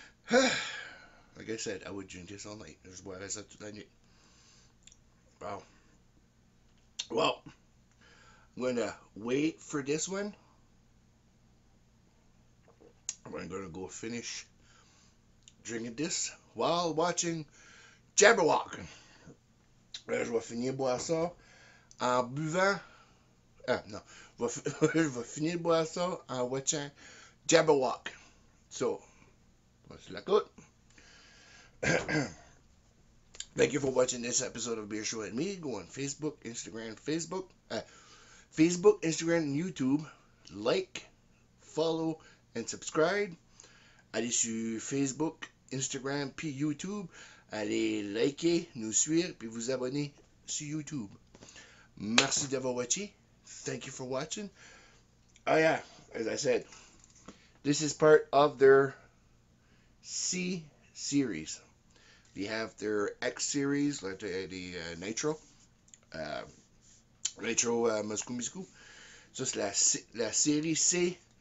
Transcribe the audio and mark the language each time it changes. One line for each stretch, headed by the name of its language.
English: Like I said, I would drink this all night.
French: Je boirais ça toute la nuit.
English: Wow. Well, I'm going to wait for this one. I'm going to go finish drinking this while watching Jabberwock.
French: Là, je vais finir boire ça en buvant. Ah, non. Je vais finir de boire ça en watchant Jabberwock. So, voici la côte.
English: Thank you for watching this episode of Beer Show and Me. Go on Facebook, Instagram, and YouTube. Like, follow, and subscribe.
French: Allez sur Facebook, Instagram, puis YouTube. Allez liker, nous suivre, puis vous abonner sur YouTube. Merci d'avoir watché.
English: Thank you for watching. Oh yeah, as I said, this is part of their C series. They have their X series, like the Nitro. Nitro Moscou Miscou. So it's
French: la série C.